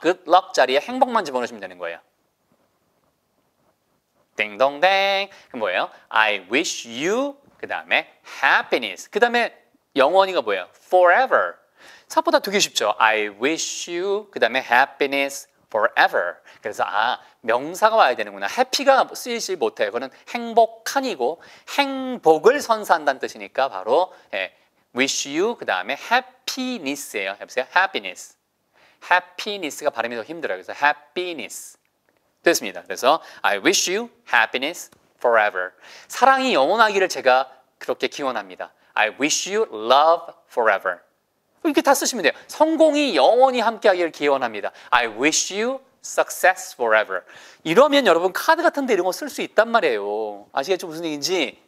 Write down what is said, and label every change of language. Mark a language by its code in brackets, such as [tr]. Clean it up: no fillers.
[ko] Good luck 자리에 행복만 집어넣으시면 되는 거예요. 띵동댕. 그럼 뭐예요? [en] I wish you [ko] 그다음에 [en] happiness. [ko] 그다음에 영원히가 뭐예요? forever. 생각보다 되게 쉽죠. [en] I wish you, [ko] 그 다음에 [en] happiness forever. [ko] 그래서 아, 명사가 와야 되는구나. happy가 쓰이지 못해요. 그거는 행복한이고 행복을 선사한다는 뜻이니까 바로 예, [en] wish you, [ko] 그 다음에 happiness예요. 해보세요. happiness. happiness가 발음이 더 힘들어요. 그래서 happiness. 됐습니다. [en] 그래서 I wish you happiness forever. [ko] 사랑이 영원하기를 제가 그렇게 기원합니다. [en] I wish you love forever. [ko] 이렇게 다 쓰시면 돼요. 성공이 영원히 함께하길 기원합니다. [en] I wish you success forever. [ko] 이러면 여러분 카드 같은 데 이런 거 쓸 수 있단 말이에요. 아시겠죠? 무슨 얘기인지.